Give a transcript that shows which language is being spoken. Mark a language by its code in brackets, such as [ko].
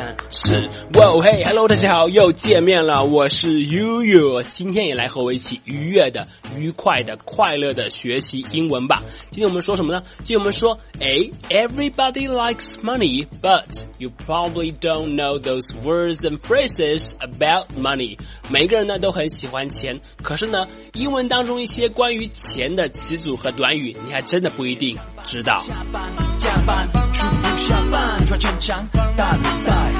[zh] 是 ，Wow， Hey， Hello， 大家好，又见面了，我是悠悠，今天也来和我一起愉悦的、愉快的、快乐的学习英文吧。今天我们说什么呢？今天我们说， [en] 哎 ，Everybody likes money， but you probably don't know those words and phrases about money。 [zh] 每个人呢都很喜欢钱，可是呢，英文当中一些关于钱的词组和短语，你还真的不一定知道。下班加班出不下班，穿衬衫大领带。